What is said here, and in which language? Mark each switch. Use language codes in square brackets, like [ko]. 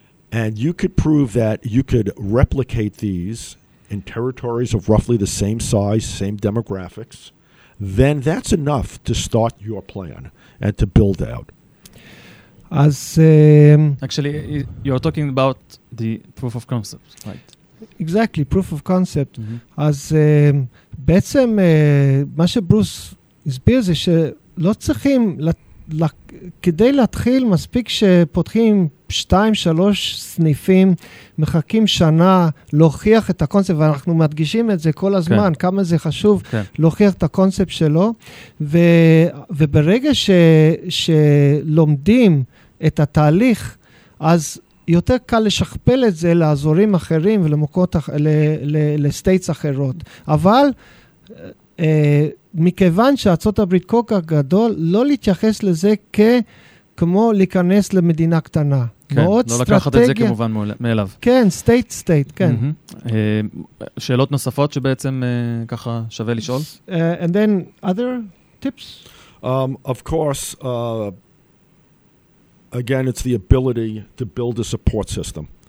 [en] and you could prove that you could replicate these in territories of roughly the same size, same demographics, then that's enough to start your plan and to build out. As actually, you're talking about the proof of concept, right? Exactly, proof of concept. Mm-hmm. [he] As בעצם מה שברוס הסביר זה ש לא צריכים, כדי להתחיל מספיק שפותחים 2-3 סניפים, מחכים שנה להוכיח את הקונספט, ואנחנו מדגישים את זה כל הזמן, כן. כמה זה חשוב כן. להוכיח את הקונספט שלו, וברגע שלומדים את התהליך, אז יותר קל לשכפל את זה לאזורים אחרים ולמקומות, לסטייטס אחרות. אבל מכיוון שארצות הברית כל כך גדול, לא להתייחס לזה כמו להיכנס למדינה קטנה. כן, לא לקחת את זה כמובן מאליו. כן, סטייט סטייט, כן. שאלות נוספות שבעצם ככה שווה לשאול? [en] And then other tips? Of course, again, it's the ability to build a support system.